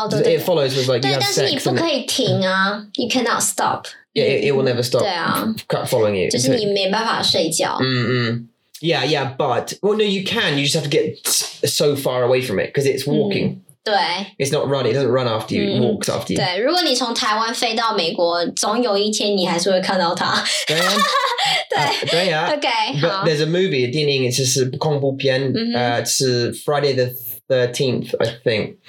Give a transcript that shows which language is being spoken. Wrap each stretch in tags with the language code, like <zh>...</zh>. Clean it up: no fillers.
<en>it follows with like you have sex.</en> <zh>对，但是你不可以停啊 ！</zh> <en>You cannot stop. Yeah, it will never stop.</en> <zh>对啊</zh> <en>，following you.</en> <zh>就是你没办法睡觉。嗯嗯。</zh> <en>Yeah, yeah, but, well, no, you can. You just have to get so far away from it because it's walking. Mm.</en> <zh>对</zh> <en>It's not running, it doesn't run after you, it walks after you.</en> <zh>对如果你从台湾飞到美国总有一天你还是会看到它。对对啊。</zh> <en>OK, But there's a movie, a 电影, it's just a 恐怖片, it's Friday the 13th, I think.</en>